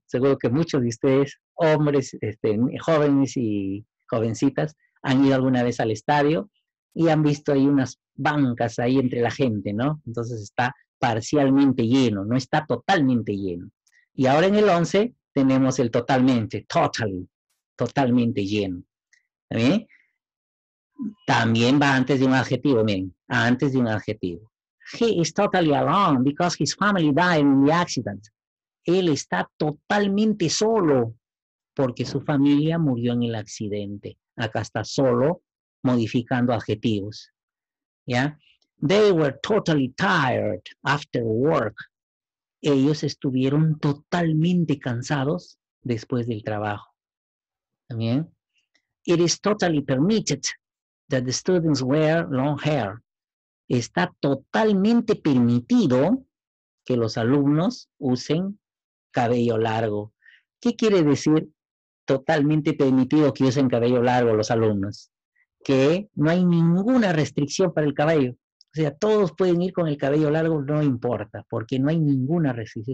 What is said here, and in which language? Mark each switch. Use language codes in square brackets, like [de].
[es] Seguro que muchos de ustedes, hombres, jóvenes y jovencitas, han ido alguna vez al estadio y han visto ahí unas bancas ahí entre la gente, ¿no? Entonces está parcialmente lleno, no está totalmente lleno. Y ahora en el 11 tenemos el totalmente, totally, totalmente lleno. ¿También? También va antes de un adjetivo, miren, antes de un adjetivo. [en] He is totally alone because his family died in the accident. [es] Él está totalmente solo porque su familia murió en el accidente. Acá está solo modificando adjetivos. ¿Ya? [en] They were totally tired after work. [es] Ellos estuvieron totalmente cansados después del trabajo. ¿También? [en] It is totally permitted that the students wear long hair. [es] Está totalmente permitido que los alumnos usen cabello largo. ¿Qué quiere decir totalmente permitido que usen cabello largo los alumnos? Que no hay ninguna restricción para el cabello. O sea, todos pueden ir con el cabello largo, no importa, porque no hay ninguna restricción.